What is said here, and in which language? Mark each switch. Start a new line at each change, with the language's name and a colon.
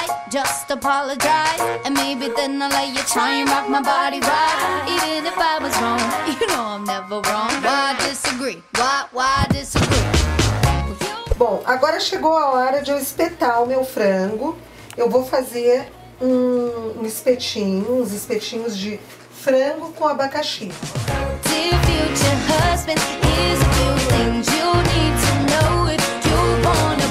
English: Just apologize, and maybe then I'll let you try and rock my body right. Even if I was wrong, you know I'm never wrong. Why disagree? Why disagree?
Portuguese: Bom, agora chegou a hora de eu espetar o meu frango. Eu vou fazer um espetinho, uns espetinhos de frango com abacaxi.
English: Dear future husband, here's a few things you need to know.